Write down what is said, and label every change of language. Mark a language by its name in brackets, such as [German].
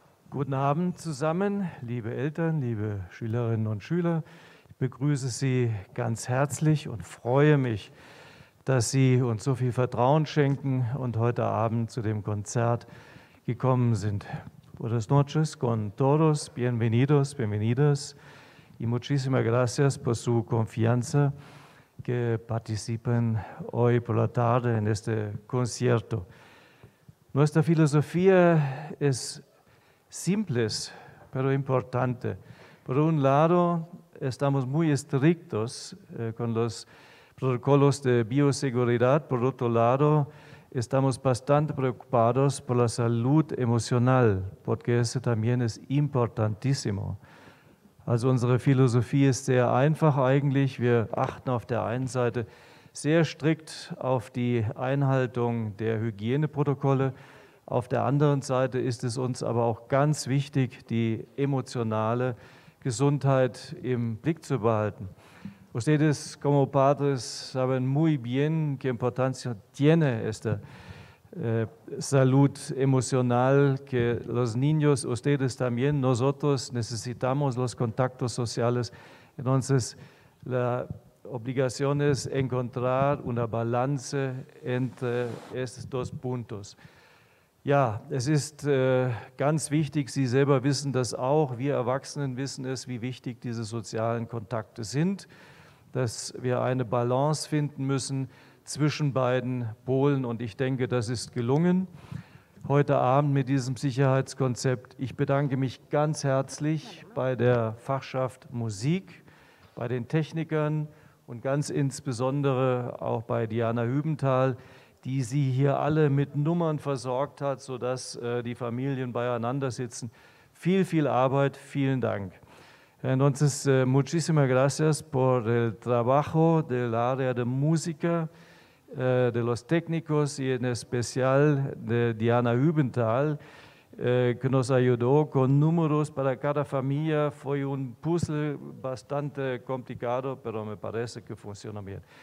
[German] Guten Abend zusammen, liebe Eltern, liebe Schülerinnen und Schüler. Ich begrüße Sie ganz herzlich und freue mich, dass Sie uns so viel Vertrauen schenken und heute Abend zu dem Konzert gekommen sind. [Spanish] Buenas noches con todos, bienvenidos, bienvenidas y muchísimas gracias por su confianza que participen hoy por la tarde en este concierto. Nuestra filosofía es simples, pero importante. Por un lado, estamos muy estrictos con los protocolos de bioseguridad. Por otro lado, estamos bastante preocupados por la salud emocional, porque eso también es importantísimo. [German] Also unsere Philosophie ist sehr einfach eigentlich. Wir achten auf der einen Seite sehr strikt auf die Einhaltung der Hygieneprotokolle. Auf der anderen Seite ist es uns aber auch ganz wichtig, die emotionale Gesundheit im Blick zu behalten. [Spanish] Ustedes como padres saben muy bien qué importancia tiene esta salud emocional que los niños, ustedes también, nosotros necesitamos los contactos sociales. Entonces, la obligación es encontrar una balance entre estos dos puntos. [German] Ja, es ist ganz wichtig, Sie selber wissen das auch, wir Erwachsenen wissen es, wie wichtig diese sozialen Kontakte sind, dass wir eine Balance finden müssen zwischen beiden Polen und ich denke, das ist gelungen heute Abend mit diesem Sicherheitskonzept. Ich bedanke mich ganz herzlich bei der Fachschaft Musik, bei den Technikern und ganz insbesondere auch bei Diana Hübenthal, die Sie hier alle mit Nummern versorgt hat, sodass die Familien beieinander sitzen. Viel, viel Arbeit, vielen Dank. [Spanish] Entonces, muchísimas gracias por el trabajo del área de música, de los técnicos y en especial de Diana Hübenthal, que nos ayudó con números para cada familia. Fue un puzzle bastante complicado, pero me parece que funciona bien.